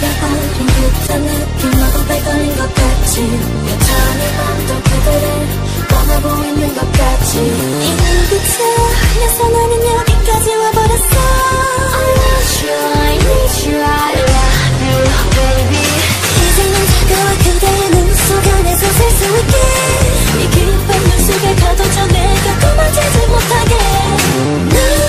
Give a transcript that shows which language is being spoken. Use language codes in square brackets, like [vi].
[ko] 내가 어린 듯한 느낌 하고 밝아낸 것 같지. 여전히 밤도 그대를 떠나고 있는 것 같지. 이미 끝에 흘려서 나는 여기까지 와버렸어. [en] I want you, I need you, I love you, baby. [ko] 이제는 다가와 그대의 눈 속 안에서 살 수 있게. 이 깊은 눈 속에 가둬져 내가 도망치지 못하게.